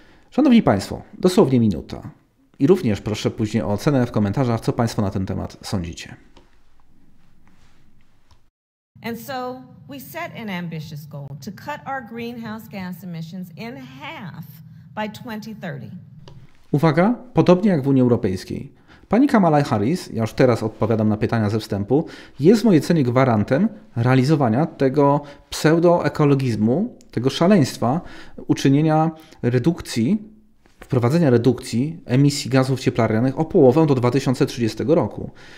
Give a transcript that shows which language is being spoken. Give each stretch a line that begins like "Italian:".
Polish: Szanowni Państwo, dosłownie minuta. I również proszę później o ocenę w komentarzach, co Państwo na ten temat sądzicie.
English: And so we set an ambitious goal to cut our greenhouse gas emissions in half. By 2030.
Polish: Uwaga, podobnie jak w Unii Europejskiej. Pani Kamala Harris, ja już teraz odpowiadam na pytania ze wstępu, jest w mojej ocenie gwarantem realizowania tego pseudoekologizmu, tego szaleństwa, uczynienia redukcji, wprowadzenia redukcji emisji gazów cieplarnianych o połowę do 2030 roku.